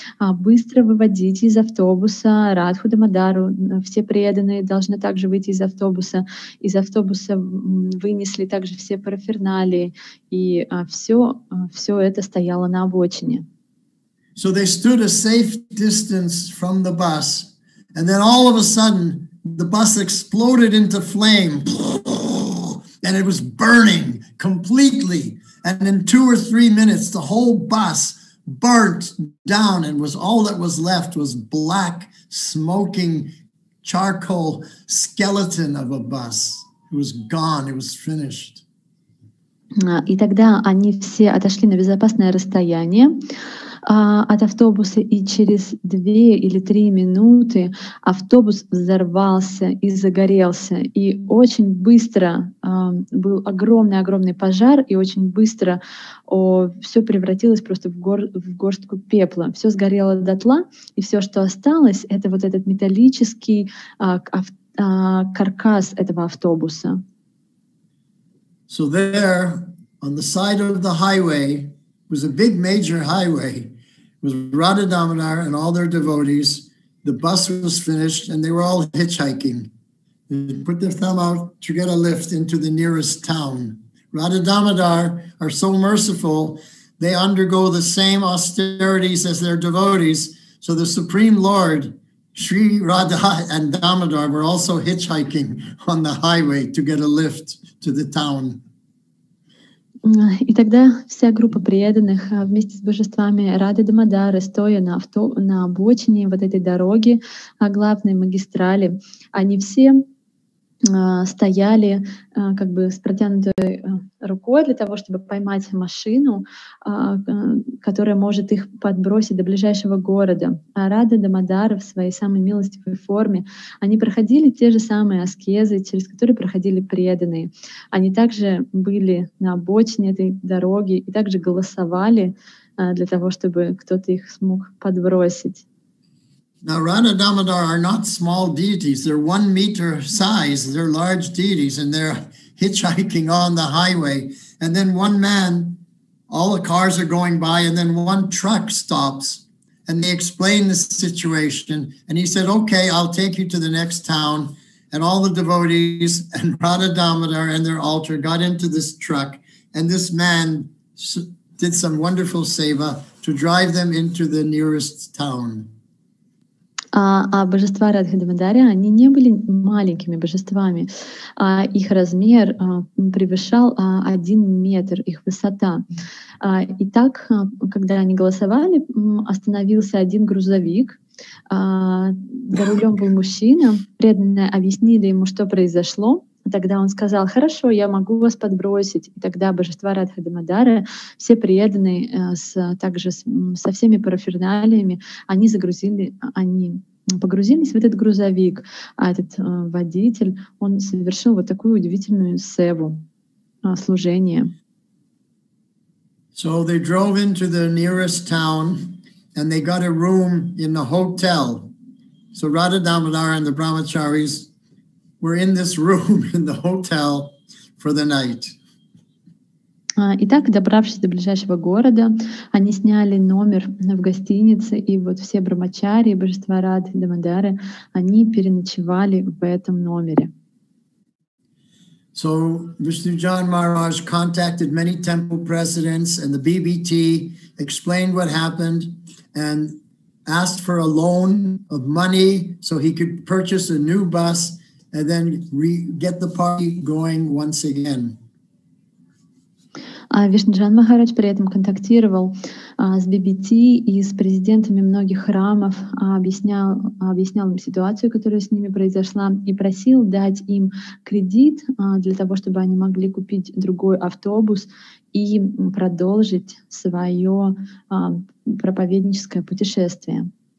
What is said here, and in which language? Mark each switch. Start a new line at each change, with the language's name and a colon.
Russian: Быстро выводите из автобуса Радху Дамодару. Все преданные должны также выйти из автобуса. Из автобуса вынесли также все параферналии, и все это стояло на обочине».
English: So they stood a safe distance from the bus, and then all of a sudden the bus exploded into flame, and it was burning completely. And in 2 or 3 minutes, the whole bus burnt down, and was all that was left was black, smoking, charcoal skeleton of a bus. It was gone. It was finished. И тогда они все отошли на безопасное расстояние от автобуса, и через 2 или 3 минуты автобус взорвался и загорелся. И очень быстро был огромный-огромный пожар, и очень быстро все превратилось просто в горстку пепла. Все сгорело дотла, и все, что осталось, это вот этот металлический каркас этого автобуса. So there, on the side of the highway, was a big major highway. Was Radha Damodar and all their devotees. The bus was finished, and they were all hitchhiking. They put their thumb out to get a lift into the nearest town. Radha Damodar are so merciful, they undergo the same austerities as their devotees. So the Supreme Lord, Sri Radha and Damodar, were also hitchhiking on the highway to get a lift to the town.
Russian: И тогда вся группа преданных вместе с божествами Радха Дамодара, стоя на обочине вот этой дороги, главной магистрали, они все стояли как бы с протянутой рукой для того, чтобы поймать машину, которая может их подбросить до ближайшего города. А Радха Дамодара в своей самой милостивой форме, они проходили те же самые аскезы, через которые проходили преданные. Они также были на обочине этой дороги и также голосовали для того, чтобы кто-то их смог подбросить.
English: Now, Radha Damodar are not small deities. They're 1 meter size. They're large deities, and they're hitchhiking on the highway. And then one man, all the cars are going by, and then one truck stops, and they explain the situation. And he said, okay, I'll take you to the next town. And all the devotees and Radha Damodar and their altar got into this truck, and this man did some wonderful seva to drive them into the nearest town.
Russian: А божества Радха Дамодара, они не были маленькими божествами. Их размер превышал 1 метр, их высота. И так, когда они голосовали, остановился один грузовик. За рулем был мужчина. Преданные объяснили ему, что произошло. Тогда он сказал: «Хорошо, я могу вас подбросить». И тогда божества Радха Дамодара, все преданные со всеми параферналиями, они погрузились в этот грузовик, а этот водитель, он совершил вот такую удивительную севу, служение.
English: So they drove into the nearest town and they got a room in the hotel. So Radha Damodara and the brahmacharis were in this room in the hotel for the night.
Russian: Итак, добравшись до ближайшего города, они сняли номер в гостинице, и вот все брамачари, божества Радхи, Дамодары, они переночевали в этом номере.
English: So Vishnujan Maharaj contacted many temple presidents and the BBT, explained what happened, and asked for a loan of money so he could purchase a new bus and then get the party going once again.
Russian: Вишнуджан Махарадж при этом контактировал с BBT и с президентами многих храмов, объяснял им ситуацию, которая с ними произошла, и просил дать им кредит для того, чтобы они могли купить другой автобус и продолжить свое проповедническое путешествие.